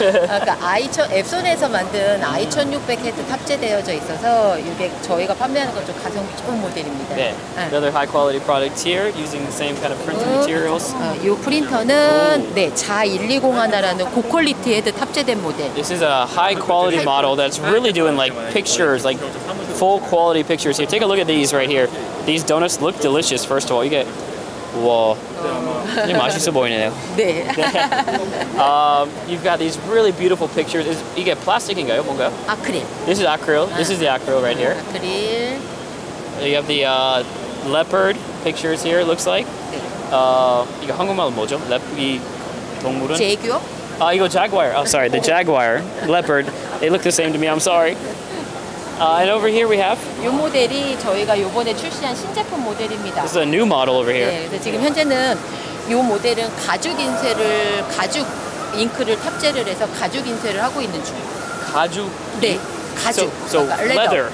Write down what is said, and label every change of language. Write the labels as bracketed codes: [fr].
[ko] 아까 앱손에서 만든 I1600 헤드 탑재되어져 있어서 600 저희가 판매하는 건 좀 가성비 좋은 모델입니다. [en] 네. Another high quality product here using the same kind of printing materials. [ko] 이 프린터는 네, 자1201이라는 고퀄리티 헤드 탑재된 모델. [en] This is a high quality model that's really doing like pictures, like full quality pictures here. Take a look at these right here. These donuts look delicious, first of all. You get, whoa. [ko] 이게 맛있어 보이네요. 네. [en] You've got these really beautiful pictures. [ko] 이게 플라스틱인가요, 뭔가? 아크릴. [en] This is acryl. This is the acryl right here. [ko] 아크릴. [en] You have the leopard pictures here, it looks like. [ko] 네. 이거 한국말로 뭐죠? 이 동물은? 제규어? 아, 이거 [en] jaguar. Oh, sorry, the jaguar. Leopard. They look the same to me, I'm sorry. And over here we have? [ko] 이 모델이 저희가 이번에 출시한 신제품 모델입니다. [en] This is a new model over here. [ko] 네, 그래서 지금 현재는 이 모델은 가죽 인쇄를, 가죽 잉크를 탑재를 해서 가죽 인쇄를 하고 있는 중입니다. 가죽? 네, 가죽. [en] So, leather.